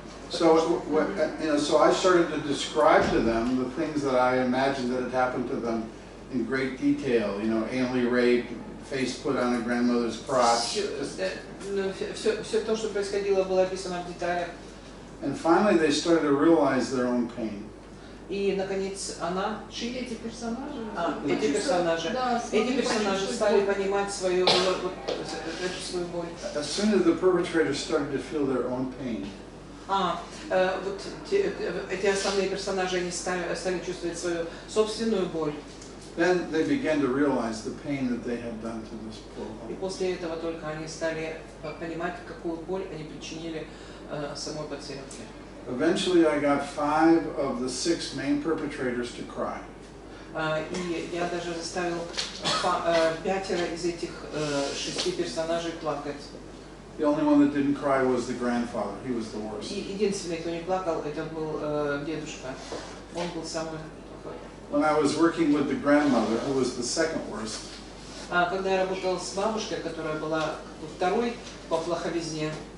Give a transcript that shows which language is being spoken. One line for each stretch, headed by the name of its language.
English: So, so I started to describe to them the things that I imagined that had happened to them in great detail. You know, anally raped, face put on a grandmother's crotch.
Russian: Все то, что происходило, было описано в деталях.
English: And finally, they started to realize their own pain.
Russian: И наконец она. Чьи эти персонажи? Эти персонажи. Эти персонажи стали понимать свою боль.
English: As soon as the perpetrators started to feel their own pain.
Russian: Вот эти основные персонажи они стали чувствовать свою собственную боль.
English: Then they began to realize the pain that they had done to this poor woman.
Russian: И после этого только они стали понимать, какую боль они причинили самой пациентке.
English: Eventually, I got 5 of the 6 main perpetrators to cry.
Russian: И я даже заставил 5 из этих 6 персонажей плакать.
English: The only one that didn't cry was the grandfather. He was the worst.
Russian: Единственный, кто не плакал, это был дедушка. Он был самый плохой.
English: When I was working with the grandmother, who was the second worst.
Russian: Когда я работал с бабушкой, которая была второй по плоховизне.